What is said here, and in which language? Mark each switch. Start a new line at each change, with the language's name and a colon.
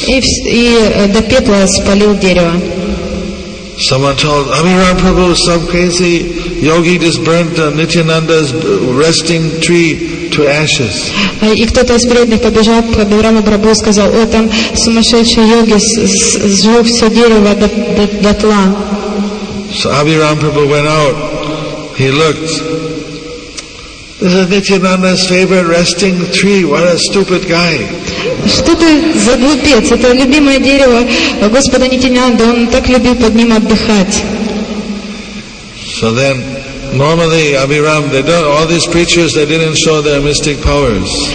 Russian: И до пепла спалил дерево.
English: Someone told Abhiram Prabhu, some crazy yogi just burnt Nityananda's resting tree to ashes.
Russian: И кто-то из преданных побежал к Абхираму Прабху и сказал, о, там сумасшедший йоги сжег все дерево дотла.
English: So Abhiram Prabhu went out. He looked. This is Nityananda's favorite resting tree. What a stupid guy.
Russian: Что ты за глупец? Это любимое дерево Господа Нитянанды. Он так любил под ним отдыхать.
English: So then, normally, Abhiram, they don't, all these preachers, they didn't show their mystic powers.